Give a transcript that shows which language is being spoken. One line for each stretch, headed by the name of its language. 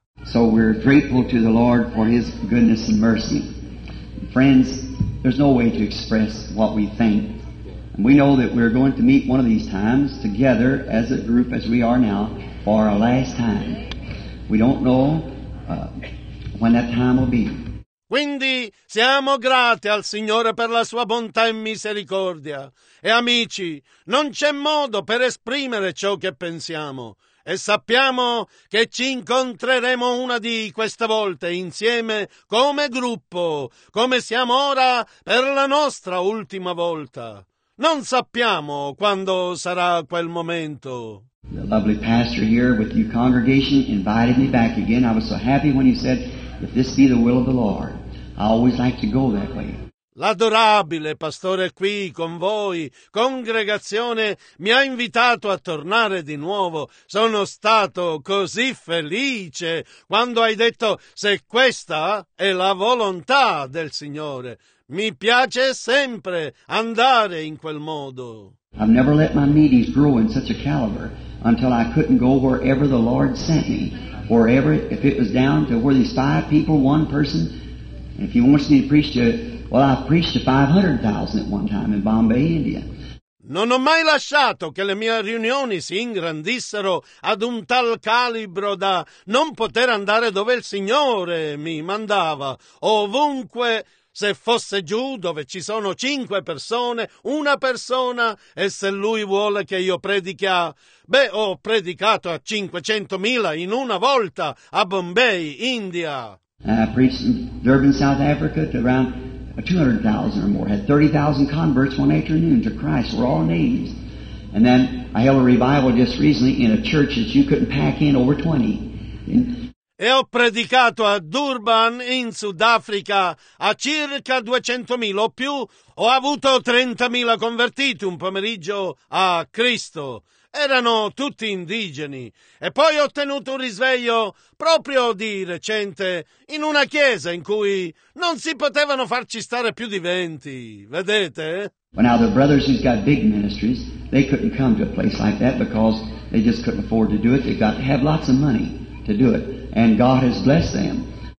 English: So we're grateful to the Lord for His goodness and mercy. Friends, there's no way to express what we think. We know that we're going to meet one of these times together as a group as we are now for our last time. We don't know when that time will be.
Italian: Quindi siamo grati al Signore per la sua bontà e misericordia. E amici, non c'è modo per esprimere ciò che pensiamo. E sappiamo che ci incontreremo una di queste volte insieme come gruppo, come siamo ora per la nostra ultima volta. Non sappiamo quando sarà quel momento.
English: The lovely pastor here with you congregation invited me back again. I was so happy when you said, if this be the will of the Lord, I always like to go that way.
Italian: L'adorabile pastore qui con voi, congregazione, mi ha invitato a tornare di nuovo. Sono stato così felice quando hai detto, se questa è la volontà del Signore. Mi piace sempre andare in quel modo.
English: I've never let my meetings grow in such a caliber until I couldn't go wherever the Lord sent me. Wherever, if it was down to where these five people, one person, if he wants me to preach to, well, I've preached to 500,000 at one time in Bombay, India.
Italian: Non ho mai lasciato che le mie riunioni si ingrandissero ad un tal calibro da non poter andare dove il Signore mi mandava. Ovunque. Se fosse giù dove ci sono cinque persone, una persona, e se lui vuole che io predichi a... Beh, ho predicato a 500,000 in una volta a Bombay, India.
English: I preached in Durban, South Africa to around 200,000 or more. Had 30,000 converts one afternoon to Christ. We're all natives. And then I held a revival just recently in a church that you couldn't pack in over 20.
Italian: E ho predicato a Durban in Sudafrica a circa 200,000 o più. Ho avuto 30,000 convertiti un pomeriggio a Cristo. Erano tutti indigeni. E poi ho tenuto un risveglio proprio di recente in una chiesa in cui non si potevano farci stare più di 20. Vedete?
English: Well, now the brothers who've got big ministries, they couldn't come to a place like that because they just couldn't afford to do it. They got to have lots of money to do it. And God has blessed them.